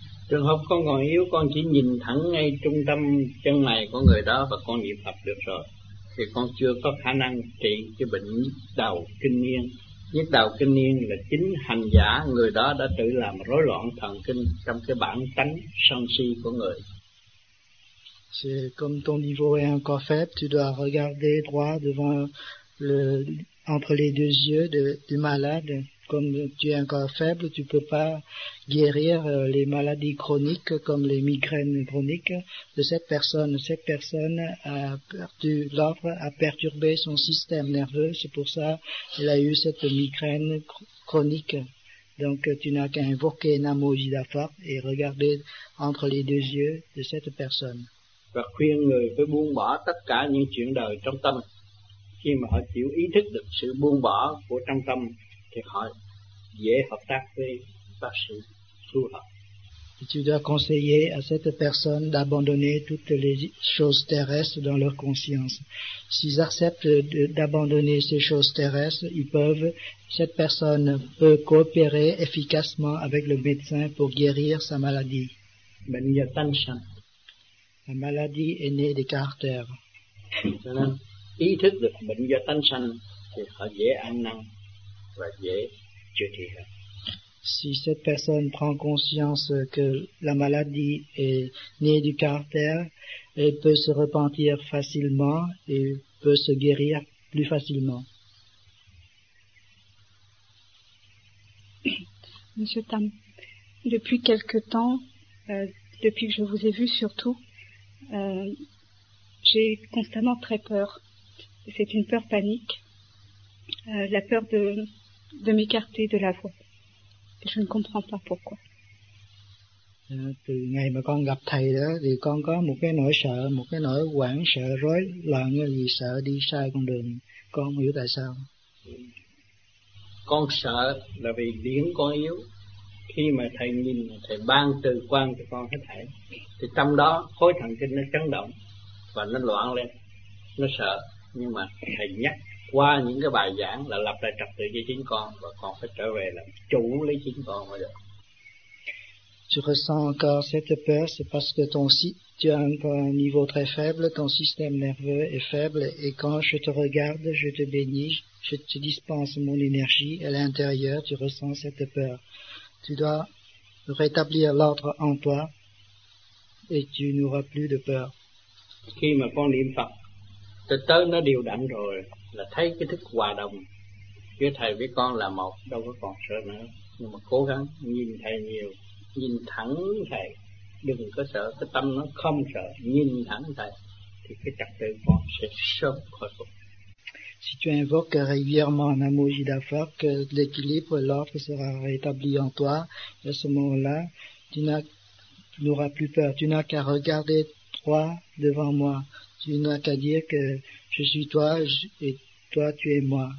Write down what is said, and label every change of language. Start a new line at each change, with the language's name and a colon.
Vietnamese: Trường hợp con còn yếu, con chỉ nhìn thẳng ngay trung tâm chân mày của người đó và con niệm Phật được rồi. Thì con chưa có khả năng trị cái bệnh đầu kinh niên. Nhất đạo kinh niên là chính hành giả người đó đã tự làm rối loạn thần kinh trong cái bản tánh sân si của người.
French: C'est comme ton niveau est encore faible, tu dois regarder droit devant entre les deux yeux du malade. Comme tu es encore faible, tu peux pas guérir les maladies chroniques comme les migraines chroniques de cette personne. Cette personne a perdu l'ordre, a perturbé son système nerveux. C'est pour ça qu'elle a eu cette migraine chronique. Donc tu n'as qu'à invoquer Namo Amida Butsu et regarder entre les deux yeux de cette personne.
Vietnamese: Và khuyên người phải buông bỏ tất cả những chuyện đời trong tâm. Khi mà họ chịu ý thức được sự buông bỏ của trong tâm, thì họ dễ hợp tác với bác sĩ phù hợp.
French: Tu dois conseiller à cette personne d'abandonner toutes les choses terrestres dans leur conscience. S'ils acceptent d'abandonner ces choses terrestres, cette personne peut coopérer efficacement avec le médecin pour guérir sa maladie.
Vietnamese: Bệnh do tâm sanh.
French: La maladie est née des caractères.
Vietnamese: Ý thức được bệnh do tâm sanh thì họ dễ ăn năn và dễ chịu thiệt hơn.
French: Si cette personne prend conscience que la maladie est née du caractère, elle peut se repentir facilement et peut se guérir plus facilement. Monsieur Tam, depuis quelque temps, depuis que je vous ai vu surtout, j'ai constamment très peur. C'est une peur panique, la peur de m'écarter de la voie. Je ne comprends pas pourquoi.
Vietnamese: Từ ngày mà con gặp thầy đó thì con có một cái nỗi sợ, một cái nỗi hoảng sợ rối loạn vì sợ đi sai con đường. Con hiểu tại sao? Con sợ là vì điển con yếu. Khi mà thầy nhìn, thầy ban từ quan cho con hết thảy, thì trong đó khối thần kinh nó chấn động và nó loạn lên, nó sợ. Nhưng mà thầy nhắc qua những cái bài giảng là lập lại trật tự cho chính con, và con phải trở về là chủ lấy chính con mới được.
French: Tu ressens encore cette peur, c'est parce que tu as encore un niveau très faible, ton système nerveux est faible, et quand je te regarde, je te bénis, je te dispense mon énergie à l'intérieur, tu ressens cette peur. Tu dois rétablir l'ordre en toi, et tu n'auras plus de peur.
Vietnamese: Khi mà con niệm Phật, từ tới nó điều đặn rồi, là thấy cái thức hòa đồng giữa thầy với con là một, đâu có còn sợ nữa, nhưng mà cố gắng nhìn thầy nhiều. Nhìn thẳng thầy, đừng có sợ, cái tâm nó không sợ, nhìn thẳng thầy, thì cái trật tự con sẽ sớm khôi phục.
French: Si tu invoques régulièrement un amour Jida Fort, que l'équilibre, l'ordre sera rétabli en toi, et à ce moment-là, tu n'auras plus peur, tu n'as qu'à regarder toi devant moi, tu n'as qu'à dire que je suis toi, et toi tu es moi.